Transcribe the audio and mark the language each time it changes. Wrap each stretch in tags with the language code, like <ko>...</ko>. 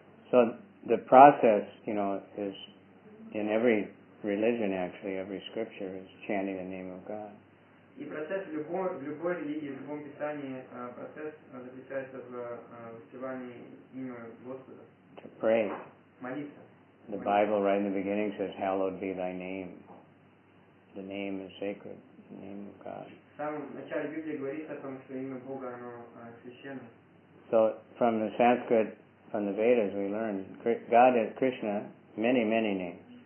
<en>So the process, you know, is in every religion, actually, every scripture is chanting the name of God.</en> <ru>И процесс в любой религии, в любом писании, процесс заключается в воспевании имя Господа.</ru> <en>To pray.</en> <ru>Молиться.</ru> <en>The Bible right in the beginning says, hallowed be thy name. The name is sacred, the name of God.</en> <ru>В самом начале Библии говорится о том, что имя Бога, оно священно.</ru> <en>So from the Sanskrit, from the Vedas, we learn God is Krishna, many, many names.</en>